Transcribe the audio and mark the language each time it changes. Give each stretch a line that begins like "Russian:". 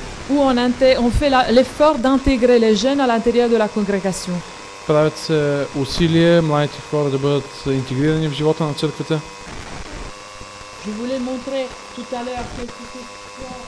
French: Où on fait l'effort d'intégrer les jeunes à l'intérieur de la congrégation.
Bulgarian: Правят се усилия младите хора да бъдат интегрирани в живота на църквата.
French: Je voulais montrer tout à l'heure que c'était